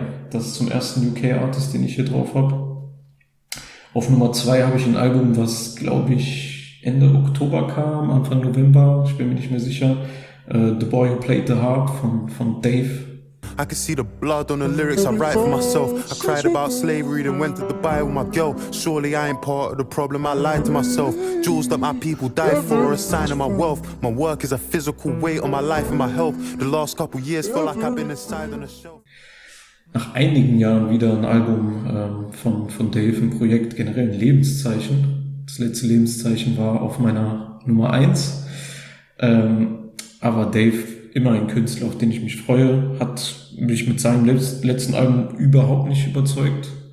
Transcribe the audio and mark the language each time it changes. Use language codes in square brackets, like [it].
[de] Das ist zum ersten UK-Artist, den ich hier drauf habe. Auf Nummer 2 habe ich ein Album, was, glaube ich, Ende Oktober kam, Anfang November, ich bin mir nicht mehr sicher. The Boy Who Played the Harp von Dave. [en] I can see the blood on the lyrics I write for myself. I cried about slavery, then went to Dubai with my girl. Surely I ain't part of the problem, I lied to myself. Jewels that my people died for are a sign of my wealth. My work is a physical weight on my life and my health. The last couple years feel like I've been inside on a shelf. [de] Nach einigen Jahren wieder ein Album von Dave im Projekt, generell ein Lebenszeichen. Das letzte Lebenszeichen war auf meiner Nummer 1. Aber Dave, immer ein Künstler, auf den ich mich freue, hat mich mit seinem letzten Album überhaupt nicht überzeugt.